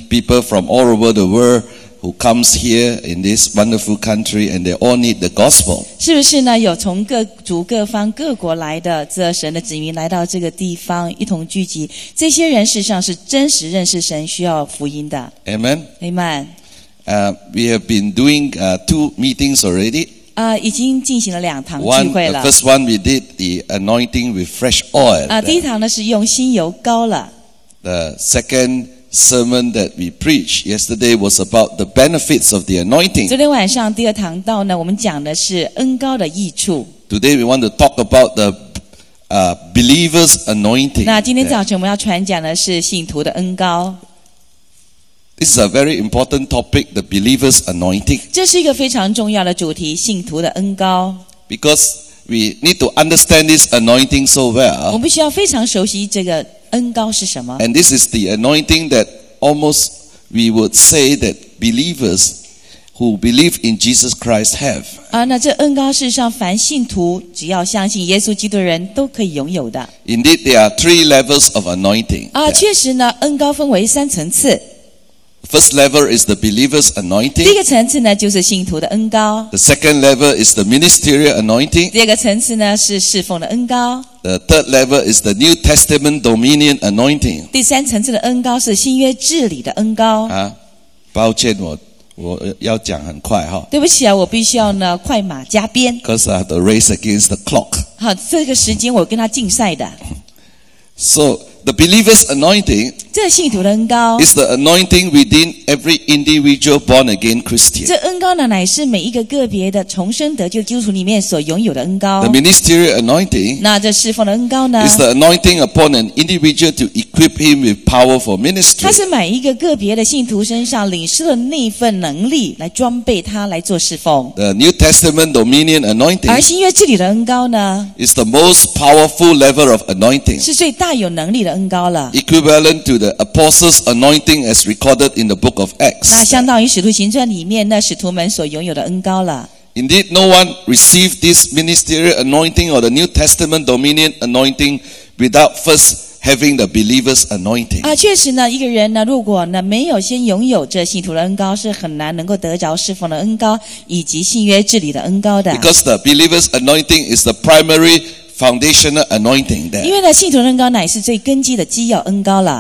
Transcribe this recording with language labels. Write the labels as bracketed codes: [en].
[en] people from all over the world who comes here in this wonderful country, and they all need the gospel. [zh] 是不是呢？有从各族、各方、各国来的这神的子民来到这个地方，一同聚集。这些人事实上是真实认识神，需要福音的。 [en] Amen. Amen. We have been doing two meetings already. [zh] 已经进行了两堂聚会了。 [en] The first one we did the anointing with fresh oil. [zh] 第一堂呢是用新油膏了。 [en] The second. Sermon that we preached yesterday was about the benefits of the anointing. [zh] 昨天晚上第二堂道呢，我们讲的是恩膏的益处。 [en] Today we want to talk about the believer's anointing. [zh] 那今天早晨我们要传讲的是信徒的恩膏。 [en] This is a very important topic, the believer's anointing. [zh] 这是一个非常重要的主题，信徒的恩膏。 [en] Because we need to understand this anointing so well. [zh] 我们必须要非常熟悉这个。恩膏是什么？ [en] And this is the anointing that almost we would say that believers who believe in Jesus Christ have. [zh] 那这恩膏事实上凡信徒只要相信耶稣基督的人都可以拥有的。 [en] Indeed, there are three levels of anointing. [zh] 确实呢，恩膏分为三层次。 [en] First level is the believer's anointing. [zh] 第一个层次呢，就是信徒的恩膏。 [en] The second level is the ministerial anointing. [zh] 第二个层次呢，是侍奉的恩膏。 [en] The third level is the New Testament dominion anointing. [zh] 第三层次的恩膏是新约治理的恩膏。抱歉，我要讲很快哈。对不起啊，我必须要呢快马加鞭。 [en] Because I have to race against the clock. [zh] 好，这个时间我跟他竞赛的。 [en] So the believer's anointing. [zh] 这信徒的恩膏 [en] is the anointing within every individual born again Christian. [zh] 这恩膏呢，乃是每一个个别的重生得救基督徒里面所拥有的恩膏。 [en] The ministerial anointing. [zh] 那这侍奉的恩膏呢 [en] is the anointing upon an individual to equip him with power for ministry. [zh] 它是买一个个别的信徒身上领受的那份能力，来装备他来做侍奉。 [en] The New Testament dominion anointing. [zh] 而新约治理的恩膏呢 [en] is the most powerful level of anointing. [zh] 是最大有能力。 [en] Equivalent to the apostles' anointing as recorded in the book of Acts. [zh] 相当于《使徒行传》里面那使徒们所拥有的恩膏了。 [en] Indeed, no one received this ministerial anointing or the New Testament dominion anointing without first having the believer's anointing. [zh] 确实呢，一个人呢，如果呢没有先拥有这信徒的恩膏，是很难能够得着侍奉的恩膏以及信约治理的恩膏的。 [en] Because the believer's anointing is the primary. Foundational anointing there. [zh] 因为呢，信徒恩膏乃是最根基的基要恩膏了。